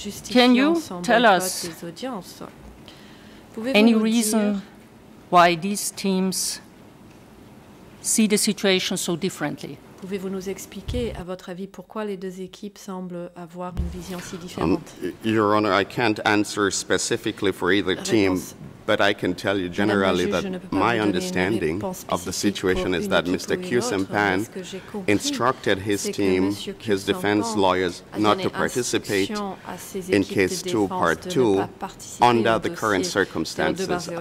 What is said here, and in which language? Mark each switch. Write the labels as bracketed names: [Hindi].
[English] Can you tell us any reason why these teams see the situation so differently? [French] Pouvez-vous nous expliquer, à votre avis, pourquoi les deux équipes semblent avoir une vision si différente? [English] Your Honor, I can't answer specifically for either team, but I can tell you generally that my understanding of the situation is that Mr. Que Sampan instructed his team, his defense lawyers, not to participate in case 2 part 2 under the current circumstances.